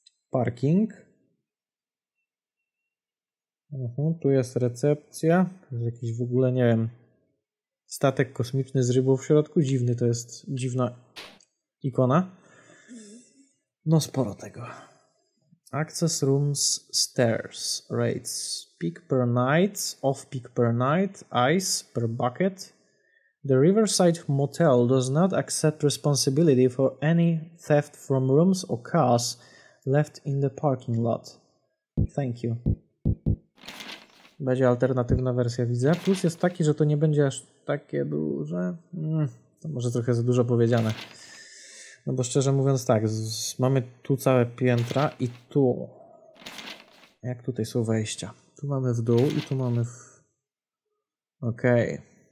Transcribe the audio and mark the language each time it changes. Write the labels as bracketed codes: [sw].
[pl] Parking. Uhu, tu jest recepcja. To jest jakiś w ogóle, nie wiem, statek kosmiczny z rybą w środku. Dziwny, to jest dziwna ikona. No sporo tego. [en] Access rooms, stairs, rates. Peak per night, off peak per night, ice per bucket. The Riverside Motel does not accept responsibility for any theft from rooms or cars left in the parking lot. Thank you. [pl] Będzie alternatywna wersja, widzę. Plus jest taki, że to nie będzie aż takie duże. To może trochę za dużo powiedziane. No bo szczerze mówiąc tak, mamy tu całe piętra i tu. Jak tutaj są wejścia? Tu mamy w dół i tu mamy w... Okej. Okay.